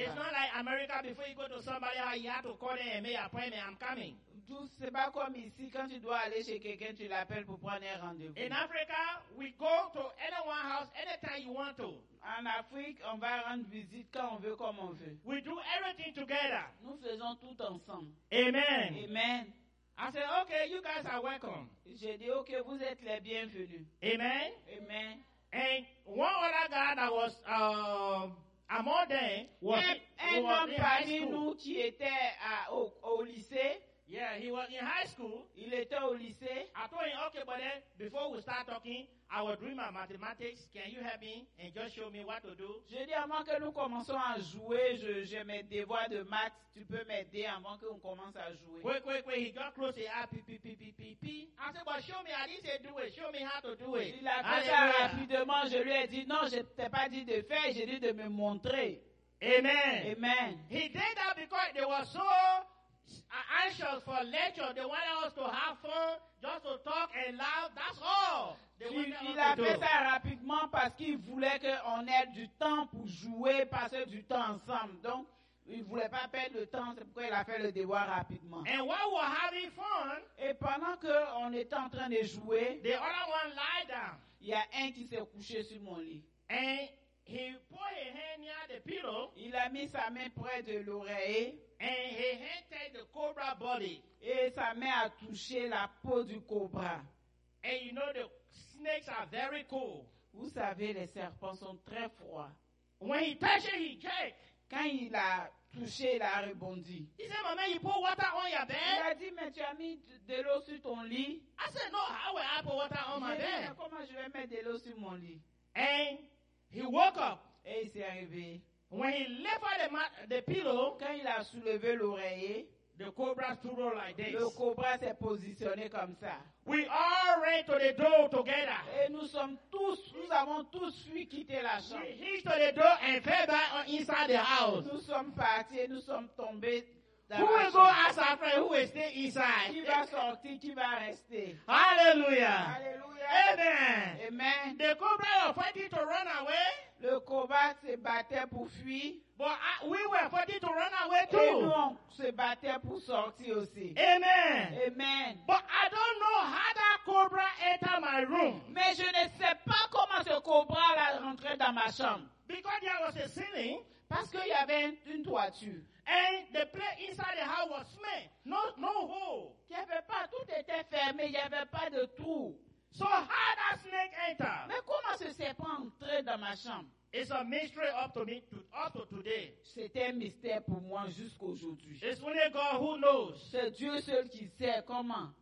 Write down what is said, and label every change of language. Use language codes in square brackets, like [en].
[en] It's not like America, before you go to somebody, you have to call them and make an I'm coming. [fr] C'est pas comme ici, quand tu dois aller chez quelqu'un, tu l'appelles pour prendre un rendez-vous. [en] In Africa, we go to anyone's house anytime you want to. [fr] En Afrique, on va rendre visite quand on veut, comme on veut. [en] We do everything together. [fr] Nous faisons tout ensemble. [en] Amen. [fr] Amen. [en] I said, okay, you guys are welcome. [fr] Je dis, okay, vous êtes les bienvenus. [en] Amen. [fr] Amen. [en] And one other guy that was among them was [fr] un homme parmi nous qui était au lycée. [en] Yeah, he was in high school. [fr] Il était au lycée. [en] I told him, okay, but then before we start talking, I will do my mathematics. Can you help me and just show me what to do? [fr] Je dis, avant que nous commençons à jouer, j'ai mes devoirs de maths. Tu peux m'aider avant que on commence à jouer. [en] Wait. He got close. He said, pee. I said, but show me. I didn't say do it. Show me how to do it. [fr] Il a fait ça rapidement. Je lui ai dit, non, je t'ai pas dit de faire. J'ai dit de me montrer. [en] Amen. [fr] Amen. [en] He did that because they were so anxious for lecture. They wanted us to have fun, just to talk and laugh. That's all. [fr] Il a fait ça rapidement parce qu'il voulait qu'on ait du temps pour jouer, passer du temps ensemble. Donc, il ne voulait pas perdre le temps, c'est pourquoi il a fait le devoir rapidement. [en] And while we're having fun, [fr] et pendant qu'on était en train de jouer, [en] the other one lied down. [fr] Il y a un qui s'est couché sur mon lit. [en] And he put his hand near the pillow, [fr] il a mis sa main près de l'oreiller. [en] And his hand touched the cobra body. [fr] Et sa main a touché la peau du cobra. [en] And you know the snakes are very cool. [fr] Vous savez, les serpents sont très froids. [en] When he touched it, he jerked. [fr] Quand il a touché, il a rebondi. [en] He said, "Mama, you put water on your bed?" [fr] Il a dit, "Mais tu as mis de l'eau sur ton lit?" [en] I said, "No, how will I put water on my bed?" [fr] Comment je vais mettre de l'eau sur mon lit? [en] And he woke up. [fr] Et il s'est arrivé. [en] When he lifted the pillow, [fr] quand il a soulevé l'oreiller, [en] the cobra stood up like this. [fr] Le cobra s'est positionné comme ça. [en] We all ran to the door together. [fr] Et nous avons tous fui quitter la chambre. [en] We hit to the door and fell back inside the house. [fr] Nous sommes partis et nous sommes tombés dans la chambre. [en] Who will go ask our friend who will stay inside? [fr] Qui va sortir, qui va rester? [en] Hallelujah. [fr] Hallelujah. [en] Amen. [fr] Amen. [en] The cobra was fighting to run away. [fr] Le cobra se battait pour fuir. [en] But we were fighting to run away too. [fr] Et nous, on se battait pour sortir aussi. [en] Amen. [fr] Amen. [en] But I don't know how that cobra entered my room. [fr] Mais je ne sais pas comment ce cobra l'a rentré dans ma chambre. [en] Because there was a ceiling. [fr] Parce qu'il y avait une toiture. [en] And the place inside the house was smelled. No hole. [fr] Il y avait pas, tout était fermé, il y avait pas de trou. [en] So how that snake enter? [fr] Mais comment ce serpent entré dans ma chambre? [en] It's a mystery up to today. [fr] C'était un mystère pour moi jusqu'aujourd'hui. [en] It's only God who knows. [fr] C'est Dieu seul qui sait comment.